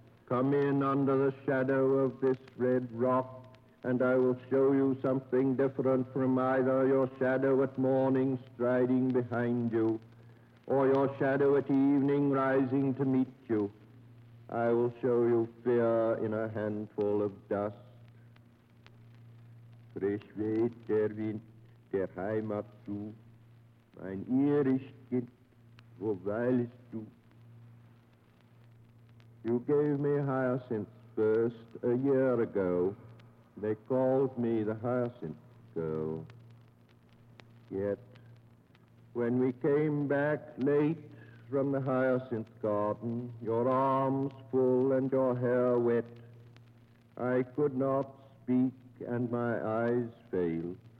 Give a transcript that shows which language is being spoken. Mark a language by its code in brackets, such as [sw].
[en] Come in under the shadow of this red rock, and I will show you something different from either your shadow at morning striding behind you, or your shadow at evening rising to meet you. I will show you fear in a handful of dust. [de] Frisch weht der Wind der Heimat zu, mein irisches Kind, wo weilest du? [en] You gave me hyacinths first a year ago. They called me the hyacinth girl. Yet, when we came back late from the hyacinth garden, your arms full and your hair wet, I could not speak and my eyes failed.